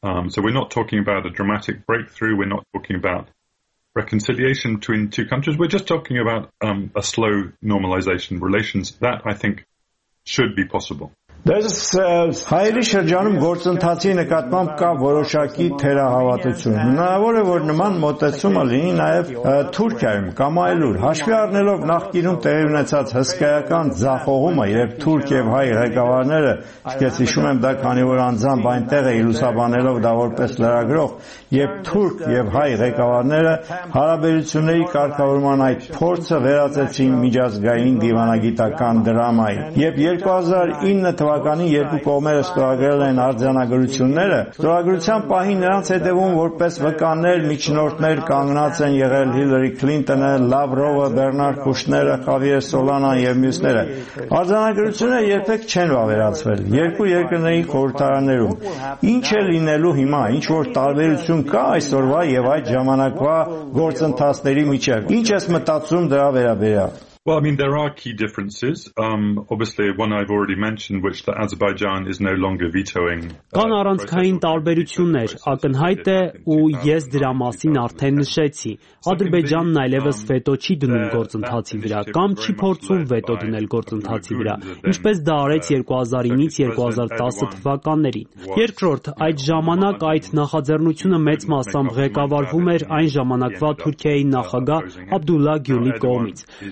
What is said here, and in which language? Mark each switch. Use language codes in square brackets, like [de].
[en] So we're not talking about a dramatic breakthrough, we're not talking about reconciliation between two countries, we're just talking about a slow normalization relations that I think should be possible. [hy] Հայերի շրջանում գործընթացի նկատմամբ կա որոշակի թերահավատություն։ Հնարավոր է, որ նման մոտեցումը լինի նաև Թուրքիայում կամ այլուր, հաշվի առնելով նախկինում տեղի ունեցած հսկայական ձախողումը, երբ թուրք եւ հայ ղեկավարները, ինչպես հիշում եմ, դա քանի որ անձամբ այնտեղ էին լուսաբանելով դա որպես լրագրող, եւ թուրք եւ հայ ղեկավարները հարաբերությունների կարգավորման այդ փորձը վերածեցին միջազգային դիվանագիտական դրամայի, եւ 2009 թվականի երկու կողմերը ստորագրել են արձանագրությունները։ Ստորագրության պահին նրանց հետևում որպես վկաներ, միջնորդներ կանգնած են եղել Հիլարի Քլինտոնը, Լավրովը, Բերնար Քուշները, Խավիեր Սոլանան եւ մյուսները։ Արձանագրությունները երբեք չեն վավերացվել երկու երկրների խորհրդարաններում։ Ինչ է լինելու հիմա, ինչ որ տարբերություն կա այսօրվա եւ այդ ժամանակվա գործընթացների միջեւ։ Ինչ ես մտածում դրա վերաբերյալ։ [en] Well, I mean, there are key differences. Obviously, one I've already mentioned, which the Azerbaijan is no longer vetoing. [hy] Կան առանցքային տարբերություններ, ակնհայտ է, ու ես դրա մասին արդեն նշեցի։ Ադրբեջանն այլևս վետո չի դնում գործընթացի վրա, կամ չի փորձում վետո դնել գործընթացի վրա, ինչպես դա արեց 2009-ից 2010 թվականներին։ Երկրորդ, այդ ժամանակ այդ նախաձեռնությունը մեծ մասամբ ղեկավարվում էր այն ժամանակվա Թուրքիայի նախագահ Աբդուլլա Գյուլի կողմից։